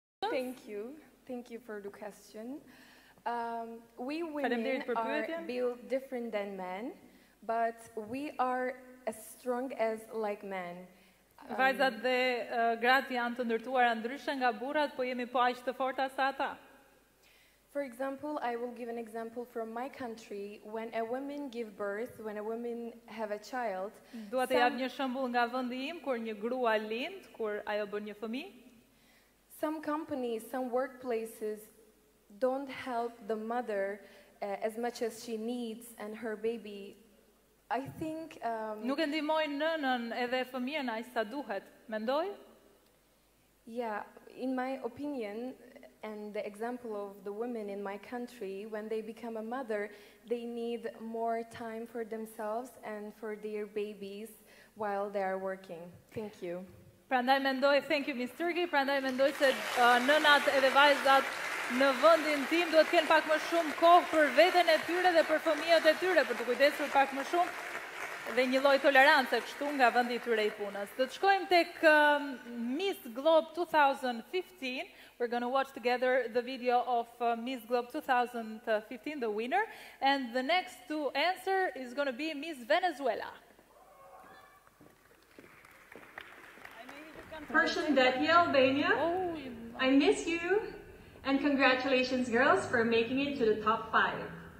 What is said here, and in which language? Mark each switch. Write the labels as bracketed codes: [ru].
[en] Thank you for the question. We women are built different than men, but we are as strong as like men. [sq] Vajzat dhe gratë janë të ndërtuara ndryshe nga burrat, po jemi po aq të forta sa ata. [en] For example, I will give an example from my country. When a woman give birth, when a woman have a child, [sq] dua të jap një shembull nga vendi im kur një grua lind, kur ajo bën një fëmijë. [en] Some companies, some workplaces don't help the mother as much as she needs and her baby. I think [sq] nuk e ndihmojnë nënën edhe fëmijën aq sa duhet. Mendoj? [en] Yeah, in my opinion and the example of the women in my country, when they become a mother, they need more time for themselves and for their babies while they are working. Thank you. [sq] Prandaj mendoj, [en] thank you Ms. [sq] Turkey, prandaj mendoj se nënat edhe vajzat në vendin tim duhet të kenë pak më shumë kohë për veten e tyre dhe për fëmijët e tyre, për të kujdesur pak më shumë dhe një lloj tolerancë kështu nga vendi I tyre I punës. Do të shkojmë tek Miss Globe 2015. [en] We're going to watch together the video of Miss Globe 2015, the winner, and the next to answer is going to be Miss Venezuela. Persian Betty Albania, I miss you, and congratulations girls for making it to the top five.